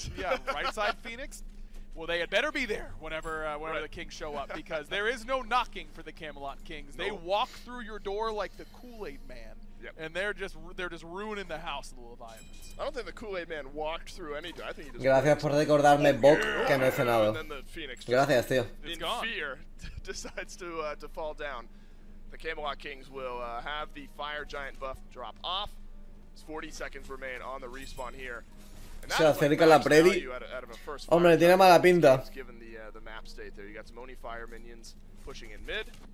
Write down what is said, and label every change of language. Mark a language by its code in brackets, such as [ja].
[en] the, yeah, right side Phoenix. Well, they had better be there whenever right. The Kings show up because there is no knocking for the Camelot Kings. No. They walk through your door like the Kool-Aid Man. Yep. And they're just ruining the house of the Leviathans. I don't think the Kool-Aid Man walked through any door. I think he just. [es] Gracias por recordarme, Bok, que me he cenado. Gracias, tío. [en] In fear, decides to fall down. The Camelot Kings will have the Fire Giant buff drop off. 40 seconds remain on the respawn here. [es] Se acerca la Predi. Hombre, tiene mala pinta. [en] Given the map state there, you got some Oni Fire minions pushing in mid.